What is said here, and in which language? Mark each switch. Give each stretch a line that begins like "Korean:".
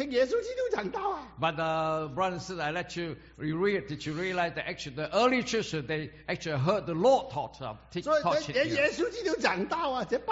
Chinese: 嘿，大家兄弟姐妹，出去教会兄弟姐妹是听耶稣基督讲道啊。But
English: brother and sister, I let you reread. Did you realize that actually the early church they actually heard the Lord taught them?
Chinese: 所以连耶稣基督讲道啊。